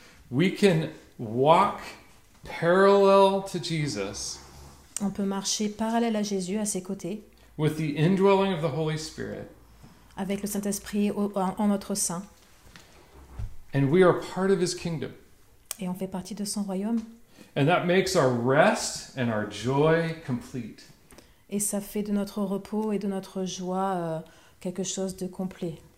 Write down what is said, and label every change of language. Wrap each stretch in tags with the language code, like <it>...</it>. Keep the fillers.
<en>We can walk parallel to Jesus</en> <fr>On peut marcher parallèle à Jésus à ses côtés.</fr> <en>With the indwelling of the Holy Spirit.</en> <fr>Avec le Saint-Esprit en, en notre sein.</fr> <en>And we are part of his kingdom.</en> <fr>et on fait partie de son royaume</fr> <en>and that makes our rest and our joy</en> <fr>et ça fait de notre repos et de notre joie euh, quelque chose de complet</fr>